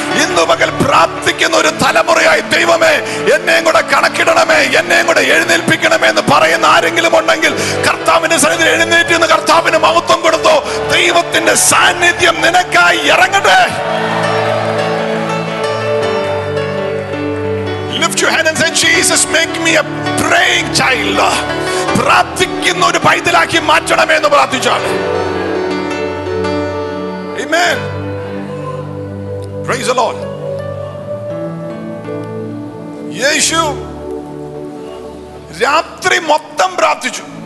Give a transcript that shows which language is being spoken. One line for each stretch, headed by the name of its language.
Malayalam: ഇന്ന് മകൽ പ്രാർത്ഥിക്കുന്ന ഒരു തലമുറയായി ദൈവമേ എന്നെയും കൂടെ കണക്കിടണമേ, എന്നെയും കൂടെ എഴുന്നേൽപ്പിക്കണമേ എന്ന് പറയുന്ന ആരെങ്കിലും ഉണ്ടെങ്കിൽ കർത്താവിന്റെ സന്നിധിയിൽ എഴുന്നേറ്റ് നിന്ന് കർത്താവിന് മഹത്വം കൊടുത്തോ. ദൈവത്തിന്റെ സാന്നിധ്യം നിനക്കായി ഇറങ്ങട്ടെ.
English: Lift your hand and say, Jesus, make me a praying child.
Malayalam: പ്രാർത്ഥിക്കുന്ന ഒരു പൈതലാക്കി മാറ്റണമേ എന്ന് പ്രാർത്ഥിച്ചാണ്.
English: Amen. Praise the Lord.
Malayalam: യേശു രാത്രി മൊത്തം പ്രാർത്ഥിച്ചു.